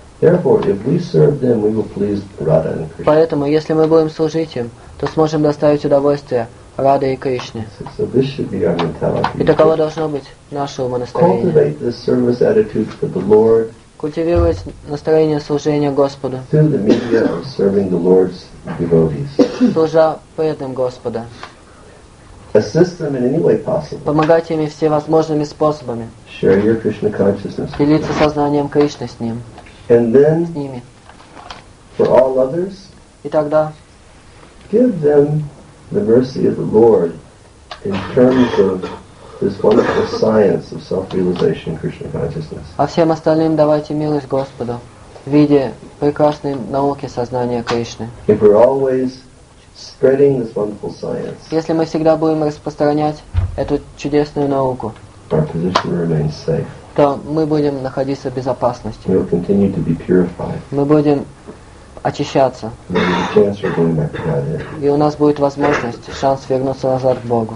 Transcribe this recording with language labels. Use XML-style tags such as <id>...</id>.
<en>Therefore, if we serve them, we will please Radha and Krishna.</en> <ru>Поэтому, если мы будем служить им, то сможем доставить удовольствие Раде и Кришне.</ru> <en>So this should be our mentality.</en> <ru>И таково должно быть наше умонастроение.</ru> <en>Cultivate the service attitude for the Lord.</en> <ru>Культивировать настроение служения Господу.</ru> <en>Through the media of serving the Lord's devotees.</en> <ru>Служа преданным Господа.</ru> <en>Assist them in any way possible.</en> <ru>Помогайте им всевозможными способами.</ru> <en>Share your Krishna consciousness.</en> <ru>Делиться сознанием Кришны с ним.</ru> <en>And then,</en> <ru>с ними.</ru> <en>For all others,</en> <ru>и тогда,</ru> <en>give them the mercy of the Lord in terms of this wonderful science of self-realization, Krishna consciousness.</en> <ru>А всем остальным давайте милость Господу в виде прекрасной науки сознания Кришны.</ru> <en>If we're always spreading this wonderful science,</en> <ru>если мы всегда будем распространять эту чудесную науку,</ru> <en>our position remains safe.</en> <ru>То мы будем находиться в безопасности.</ru> <en>We'll continue to be purified.</en> <ru>Мы будем очищаться.</ru> <en>There will be a chance for going back to God.</en> <ru>И у нас будет возможность, шанс вернуться назад к Богу.</ru>